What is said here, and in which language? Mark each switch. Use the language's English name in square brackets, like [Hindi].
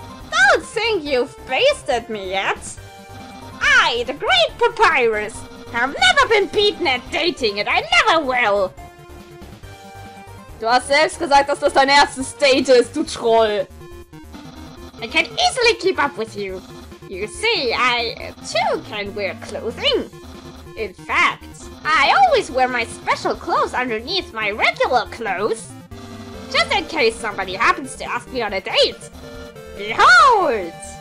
[English] Don't think you've faced at me yet! I, the great Papyrus, have never been beaten at dating and I never will! [German] Du hast selbst gesagt, dass das dein erstes Date ist, du Troll! [English] I can easily keep up with you! You see, I too can wear clothing! In fact, I always wear my special clothes underneath my regular clothes! Just in case somebody happens to ask me on a date! Behold!